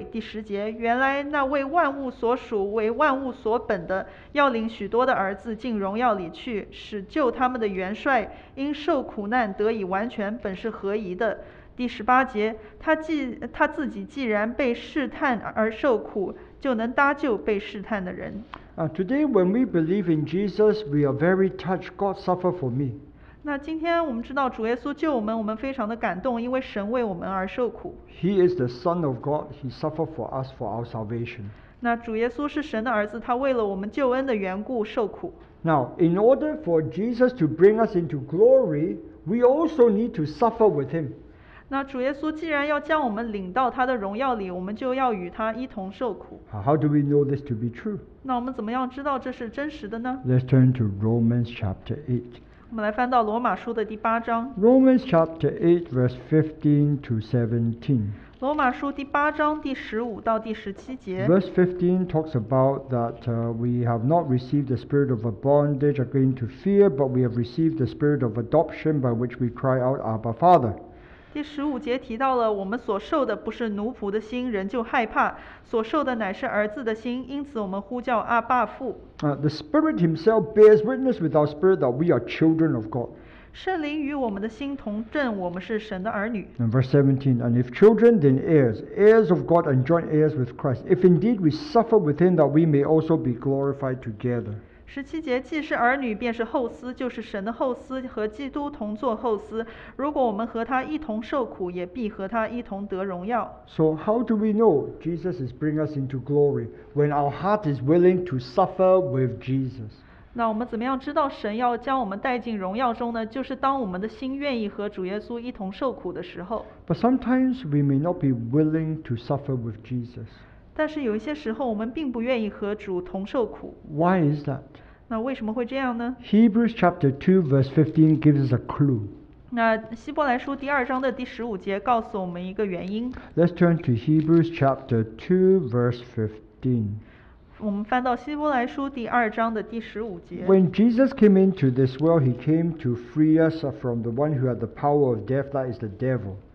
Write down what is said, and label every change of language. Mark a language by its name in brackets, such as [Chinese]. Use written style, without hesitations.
[Chinese] 第十节，原来那为万物所属、为万物所本的，要领许多的儿子进荣耀里去，使救他们的元帅因受苦难得以完全，本是合宜的。第十八节， 他自己既然被试探而受苦，就能搭救被试探的人。 [English] Today when we believe in Jesus, we are very touched. God suffered for me. [Chinese] 那今天我们知道主耶稣救我们，我们非常的感动，因为神为我们而受苦。 [English] He is the Son of God. He suffered for us for our salvation. [Chinese] 那主耶稣是神的儿子，他为了我们救恩的缘故受苦。 [English] Now, in order for Jesus to bring us into glory, we also need to suffer with him. [Chinese] 那主耶稣既然要将我们领到他的荣耀里，我们就要与他一同受苦。 [English] How do we know this to be true? [Chinese] 那我们怎么样知道这是真实的呢？ [English] Let's turn to Romans chapter 8. [Chinese] 我们来翻到罗马书的第八章。 [English] Romans chapter 8 verse 15 to 17. [Chinese] 罗马书第八章第十五到第十七节。 [English] Verse 15 talks about that we have not received the spirit of a bondage again to fear, but we have received the spirit of adoption by which we cry out, Abba, Father. [Chinese] 第十五节提到了，我们所受的不是奴仆的心，人就害怕，所受的乃是儿子的心，因此我们呼叫阿爸父。 [English] The Spirit Himself bears witness with our spirit that we are children of God. [Chinese] 圣灵与我们的心同证，我们是神的儿女。 [English] And verse 17, and if children, then heirs, heirs of God and joint heirs with Christ. If indeed we suffer with Him, that we may also be glorified together. [Chinese] 十七节，既是儿女，便是后嗣，就是神的后嗣，和基督同作后嗣。如果我们和他一同受苦，也必和他一同得荣耀。 [English] So how do we know Jesus is bringing us into glory when our heart is willing to suffer with Jesus? [Chinese] 那我们怎么样知道神要将我们带进荣耀中呢？就是当我们的心愿意和主耶稣一同受苦的时候。 [English] But sometimes we may not be willing to suffer with Jesus. [Chinese] 但是有一些时候我们并不愿意和主同受苦。 [English] Why is that? [Chinese] 那为什么会这样呢？ [English] Hebrews chapter 2 verse 15 gives us a clue. [Chinese] 那希伯来书第二章的第十五节告诉我们一个原因。 [English] Let's turn to Hebrews chapter 2, verse 15. [Chinese] 我们翻到希伯来书第二章的第十五节。 [English] When Jesus came into this world, he came to free us from the one who had the power of death, that is the devil.